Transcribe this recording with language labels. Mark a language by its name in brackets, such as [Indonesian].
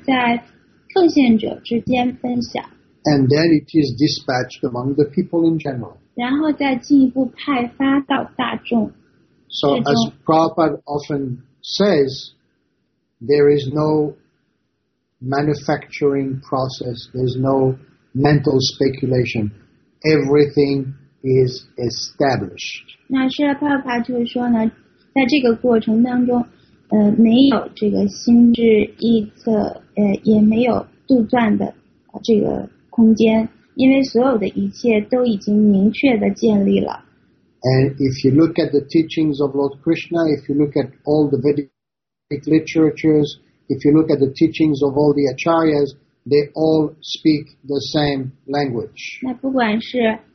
[Chinese] 那么这个超然的知识呢，又进而在奉献者之间分享。 [English] And then it is dispatched among the people in general. [Chinese] 然后再进一步派发到大众。 [English] So as Prabhupada often says, there is no manufacturing process, there's no mental speculation. Everything is established. [Chinese] 那是啊，帕帕就是说呢，在这个过程当中，没有这个心智臆测，也没有杜撰的这个空间，因为所有的一切都已经明确的建立了。 [English] And if you look at the teachings of Lord Krishna, if you look at all the Vedic literatures, if you look at the teachings of all the Acharyas, they all speak the same language.